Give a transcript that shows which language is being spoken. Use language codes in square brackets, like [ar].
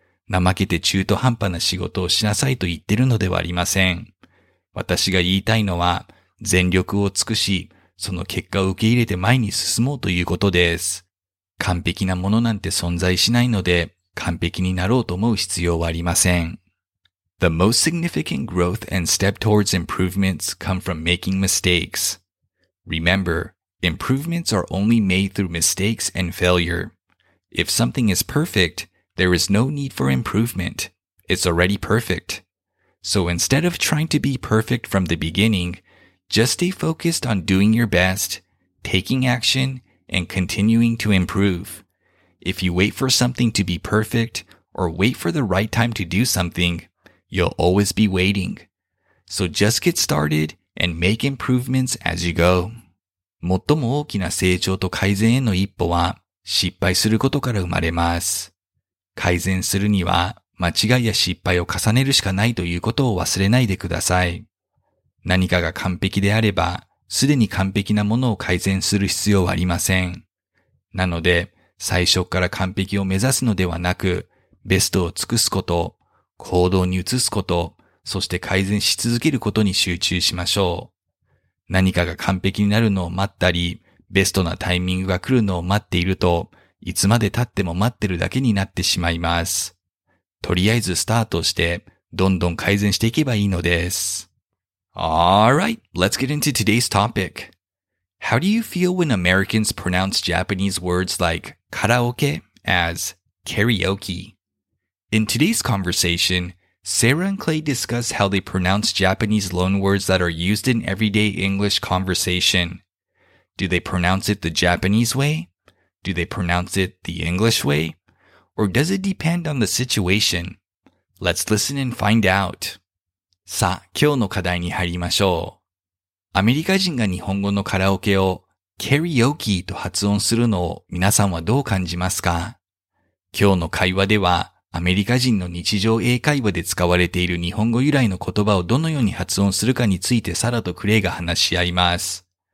[ja] 怠けて中途半端な仕事をしなさいと言ってるのではありません。私が言いたいのは、全力を尽くし、その結果を受け入れて前に進もうということです。完璧なものなんて存在しないので、完璧になろうと思う必要はありません。 [en] The most significant growth and step towards improvements come from making mistakes. Remember, improvements are only made through mistakes and failure. If something is perfect, there is no need for improvement. It's already perfect. So instead of trying to be perfect from the beginning, just stay focused on doing your best, taking action, and continuing to improve. If you wait for something to be perfect or wait for the right time to do something,You'll always be waiting. So just get started and make improvements as you go. [ja] 最も大きな成長と改善への一歩は失敗することから生まれます。改善するには間違いや失敗を重ねるしかないということを忘れないでください。何かが完璧であれば、すでに完璧なものを改善する必要はありません。なので、最初から完璧を目指すのではなく、ベストを尽くすこと、行動に移すこと、そして改善し続けることに集中しましょう。何かが完璧になるのを待ったり、ベストなタイミングが来るのを待っていると、いつまで経っても待ってるだけになってしまいます。とりあえずスタートして、どんどん改善していけばいいのです。 [en] Alright, let's get into today's topic. How do you feel when Americans pronounce Japanese words like karaoke as karaoke? In today's conversation, Sarah and Clay discuss how they pronounce Japanese loanwords that are used in everyday English conversation. Do they pronounce it the Japanese way? Do they pronounce it the English way? Or does it depend on the situation? Let's listen and find out. [ja] さあ、今日の課題に入りましょう。アメリカ人が日本語のカラオケをカラオケと発音するのを皆さんはどう感じますか? 今日の会話ではアメリカ人の日常英会話で使われている日本語由来の言葉をどのように発音するかについてサラとクレイが話し合います。